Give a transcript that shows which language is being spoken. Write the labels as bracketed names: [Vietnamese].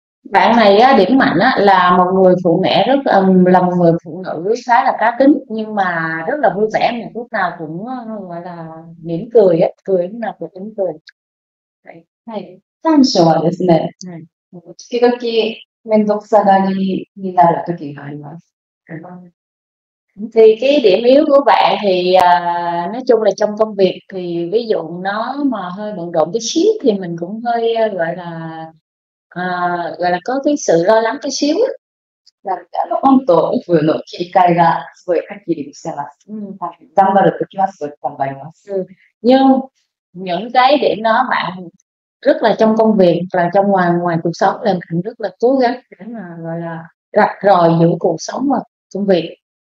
[Vietnamese] Bạn này á, điểm mạnh á, là một người phụ nữ rất là một người phụ nữ khá là cá tính nhưng mà rất là vui vẻ, mà lúc nào cũng gọi là mỉm cười á, cười lúc nào cũng mỉm cười. [Japanese] 短所はですね、時々面倒くさがりになる時があります。 [Vietnamese] Thì cái điểm yếu của bạn thì nói chung là trong công việc thì ví dụ nó mà hơi bận rộn tí xíu thì mình cũng hơi gọi là có cái sự lo lắng tí xíu. [Japanese] オンとオフの切り替えがすごいはっきりしてます。頑張るときはすごい頑張ります。 [Vietnamese] Những cái điểm đó bạn rất là trong công việc và trong ngoài ngoài cuộc sống là mình rất là cố gắng để mà gọi là rạch ròi giữa cuộc sống và công việc.